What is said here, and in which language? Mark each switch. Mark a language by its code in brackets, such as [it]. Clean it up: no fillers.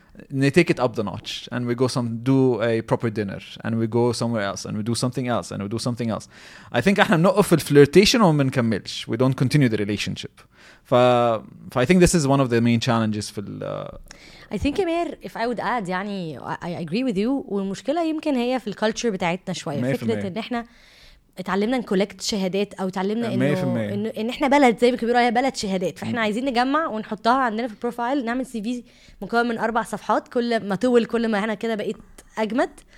[en] They take it up the notch and we go some do a proper dinner and we go somewhere else and we do something else and we do something else. I think [ar] احنا بنقف الفليرتيشن وما بنكملش. [en] We don't continue the relationship. ف I think this is one of the main challenges في ال I think Amir, if I would add يعني I agree with you. [ar] والمشكلة يمكن هي في الكالتشر بتاعتنا شوية، فكرة ان احنا اتعلمنا نكولكت شهادات او اتعلمنا انه ان احنا بلد زي كبيره هي بلد شهادات، فاحنا عايزين نجمع ونحطها عندنا في البروفايل، نعمل سي في مكون من اربع صفحات، كل ما طول كل ما احنا كده بقيت اجمد.